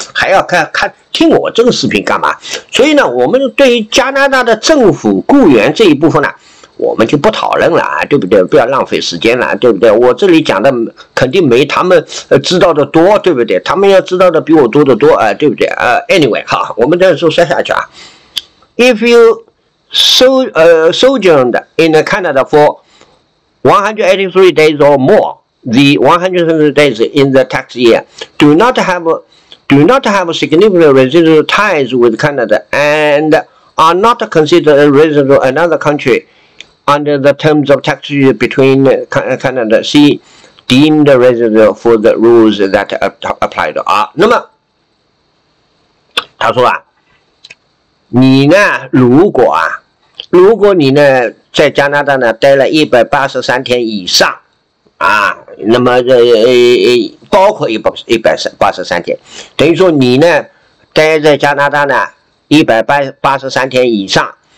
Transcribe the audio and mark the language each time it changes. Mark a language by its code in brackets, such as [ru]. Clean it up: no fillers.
[zh] 还要看听我这个视频干嘛？所以呢，我们对于加拿大的政府雇员这一部分呢，我们就不讨论了啊，对不对？不要浪费时间了，对不对？我这里讲的肯定没他们知道的多，对不对？他们要知道的比我多得多啊，对不对？ anyway， 哈，我们再说说下去啊。 [en] If you sojourned in Canada for 183 days or more, the 183 days in the tax year, do not have significant residual ties with Canada and are not considered a resident of another country. Under the terms of tax between Canada, C deemed resident for the rules that applied. [zh] 啊，那么他说啊，你呢，如果你呢在加拿大呢待了183天以上啊，那么包括183天，等于说你呢待在加拿大呢183天以上。